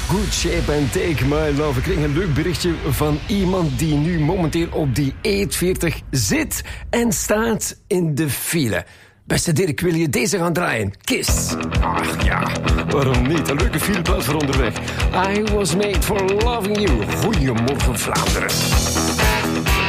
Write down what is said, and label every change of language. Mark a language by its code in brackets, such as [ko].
[nl] Shape and Take My Love. Ik kreeg een leuk berichtje van iemand die nu momenteel op die E40 zit en staat in de file. Beste Dirk, wil je deze gaan draaien? Kiss. Ach ja, waarom niet? Een leuke fileplaats voor onderweg. [en] I was made for loving you. [nl] Goedemorgen Vlaanderen.